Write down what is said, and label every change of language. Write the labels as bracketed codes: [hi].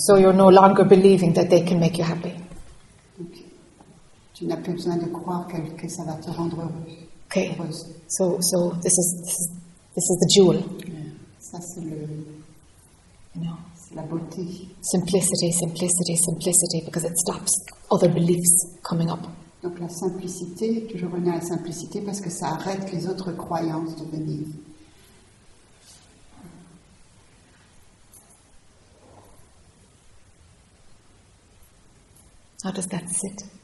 [en] So you're no longer believing that they can make you happy. Okay. [fr] Tu n'as plus besoin de croire que ça va te rendre heureux. [en] Okay. [fr] Heureuse. [en] So this is the jewel. Yeah. [fr] Ça c'est le, [en] you know, [fr] c'est la beauté. [en] Simplicity, simplicity, simplicity, because it stops other beliefs coming up. [fr] Donc la simplicité, toujours revenir à la simplicité parce que ça arrête les autres croyances de venir. [en] How does that sit?